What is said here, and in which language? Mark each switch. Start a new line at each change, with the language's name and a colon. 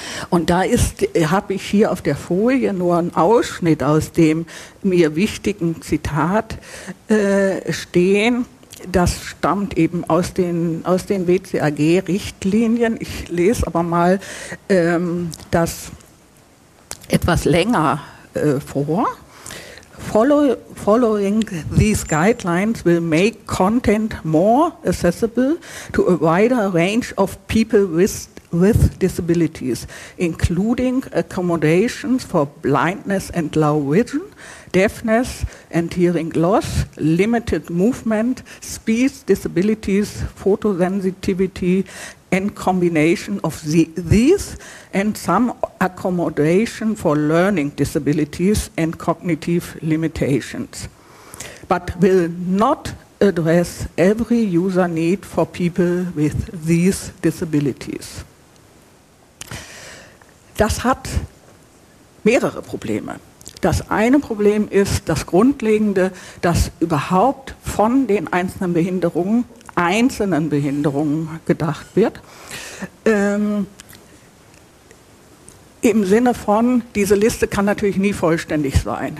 German: Und da habe ich hier auf der Folie nur einen Ausschnitt aus dem mir wichtigen Zitat stehen. Das stammt eben aus den WCAG-Richtlinien. Ich lese aber mal das etwas länger vor.
English: Following these guidelines will make content more accessible to a wider range of people with disabilities, including accommodations for blindness and low vision, deafness and hearing loss, limited movement, speech disabilities, photosensitivity, and combination of these and some accommodation for learning disabilities and cognitive limitations, but will not address every user need for people with these disabilities.
German: Das hat mehrere Probleme. Das eine Problem ist das Grundlegende, dass überhaupt von den einzelnen Behinderungen einzelnen Behinderungen gedacht wird, im Sinne von, diese Liste kann natürlich nie vollständig sein.